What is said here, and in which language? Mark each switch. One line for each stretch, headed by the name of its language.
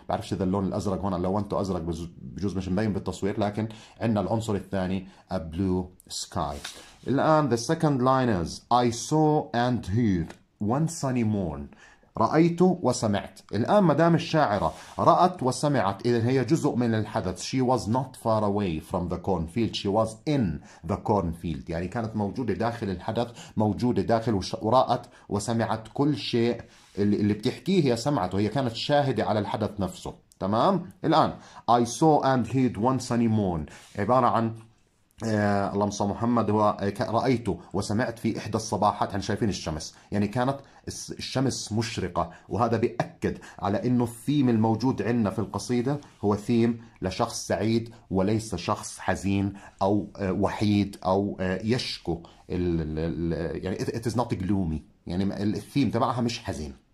Arabic: بعرفش إذا اللون الأزرق هنا لو أنتو أزرق بجوز مش مبين بالتصوير، لكن عندنا العنصر الثاني a blue sky.
English: الآن the second line is I saw and heard one sunny morn.
Arabic: رأيت وسمعت. الآن مدام الشاعرة رأت وسمعت، إذا هي جزء من الحدث.
English: She was not far away from the cornfield. She was in the cornfield.
Arabic: يعني كانت موجودة داخل الحدث، موجودة داخل ورأت وسمعت كل شيء اللي بتحكيه هي سمعته، هي كانت شاهدة على الحدث نفسه. تمام؟ الآن I saw and heard one sunny morn عبارة عن اللهم صل محمد، هو رأيت وسمعت في إحدى الصباحات، احنا شايفين الشمس، يعني كانت الشمس مشرقة، وهذا بيأكد على إنه الثيم الموجود عندنا في القصيدة هو ثيم لشخص سعيد وليس شخص حزين أو وحيد أو يشكو يعني it is not gloomy، يعني الثيم تبعها مش حزين.